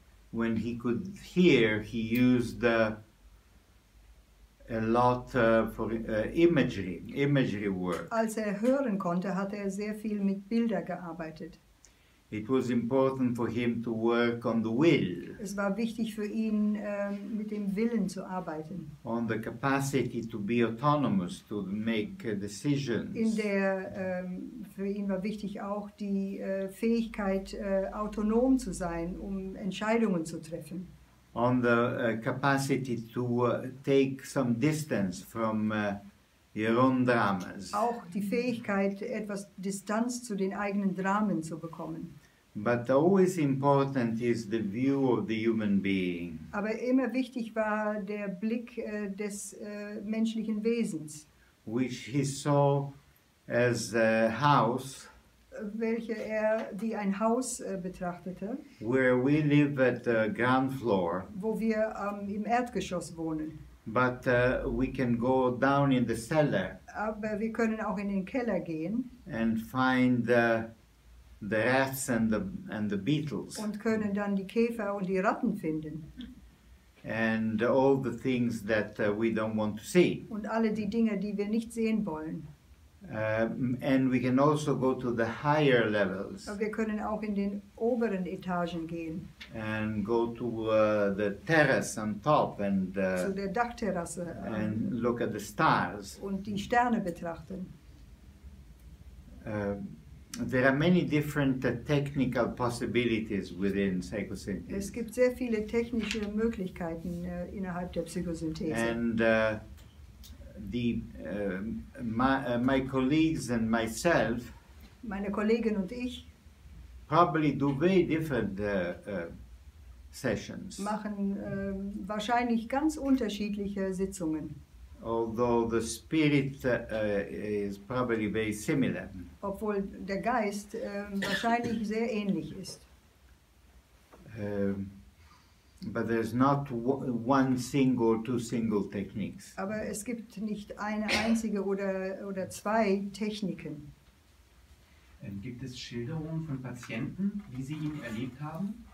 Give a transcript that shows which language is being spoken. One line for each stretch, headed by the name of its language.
English: When he could hear, he used a lot for imagery work.
German: Als er hören konnte, hat er sehr viel mit Bildern gearbeitet.
English: It was important for him to work on the will.
German: Es war wichtig für ihn, mit dem Willen zu arbeiten.
English: On the capacity to be autonomous, to make decisions.
German: In der, für ihn war wichtig auch die Fähigkeit, autonom zu sein, um Entscheidungen zu treffen.
English: On the capacity to take some distance from your own dramas.
German: Auch die Fähigkeit, etwas Distanz zu den eigenen Dramen zu bekommen.
English: But always important is the view of the human being.
German: Aber immer wichtig war der Blick des menschlichen Wesens,
English: which he saw as a house,
German: welche er wie ein Haus betrachtete,
English: where we live at the ground floor,
German: wo wir im Erdgeschoss wohnen.
English: But we can go down in the cellar.
German: Aber wir können auch in den Keller gehen.
English: And find the rats and the beetles.
German: Und können dann die Käfer und die Ratten finden.
English: And all the things that we don't want to see.
German: Und alle die Dinge, die wir nicht sehen wollen.
English: And we can also go to the higher levels.
German: Aber wir können auch in den oberen Etagen gehen.
English: And go to the terrace on top and
German: zu der Dachterrasse,
English: and look at the stars.
German: Und die Sterne betrachten.
English: There are many different technical possibilities within psychosynthesis.
German: Es gibt sehr viele technische Möglichkeiten innerhalb der Psychosynthese.
English: And my colleagues and myself,
German: meine Kollegen und ich,
English: probably do very different sessions.
German: Machen wahrscheinlich ganz unterschiedliche Sitzungen.
English: Although the spirit is probably very similar.
German: Obwohl der Geist wahrscheinlich sehr ähnlich ist.
English: But there's not one single, two single techniques.
German: Aber es gibt nicht eine einzige oder zwei Techniken. Gibt es Schilderungen von Patienten, wie sie ihn erlebt haben?